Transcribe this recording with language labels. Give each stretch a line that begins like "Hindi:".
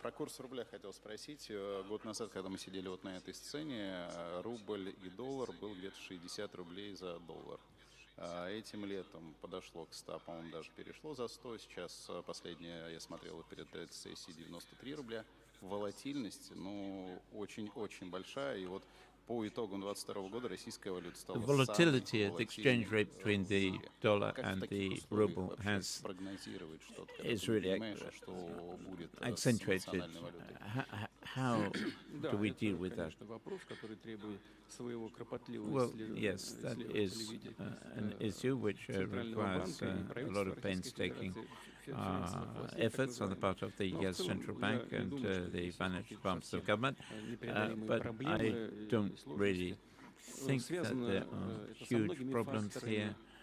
Russian: Про курс рубля хотел спросить. Год назад, когда мы сидели вот на этой сцене, рубль и доллар был где-то 60 рублей за доллар. Этим летом подошло к 100, по-моему, даже перешло за 100. Сейчас последнее, я смотрел перед этой сессией, 93 рубля. Волатильность, ну, очень-очень большая. И вот по итогам 2022 года российская валюта стала самой волатильной.
English: Volatility, the exchange rate between the dollar and the ruble has is really accentuated. How do we deal with that?
Russian: Вопрос, который требует своего кропотливого
English: Yes, that is an issue which requires a lot of painstaking efforts on the part of the US Central Bank and the vantage points of government, but I don't really think that there are huge problems here.